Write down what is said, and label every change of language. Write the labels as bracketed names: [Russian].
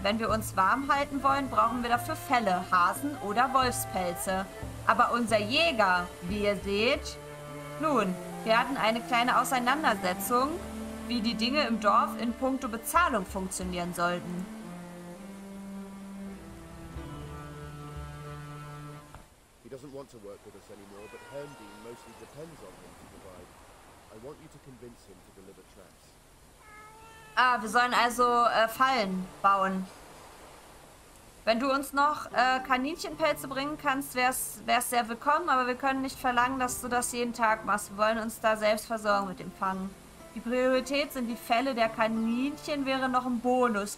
[German] Wenn wir uns warm halten wollen, brauchen wir dafür Felle, Hasen oder Wolfspelze. Aber unser Jäger, wie ihr seht... Nun, wir hatten eine kleine Auseinandersetzung, wie die Dinge im Dorf in puncto Bezahlung funktionieren sollten. [English] He doesn't want to work with us anymore, but Herndeen mostly depends on him to provide. I want you to convince him to deliver traps. [German] Ah, wir sollen also Fallen bauen. Wenn du uns noch Kaninchenpelze bringen kannst, wär's sehr willkommen, aber wir können nicht verlangen, dass du das jeden Tag machst. Wir wollen uns da selbst versorgen mit dem Fangen. Die Priorität sind die Felle der Kaninchen, wäre noch ein Bonus.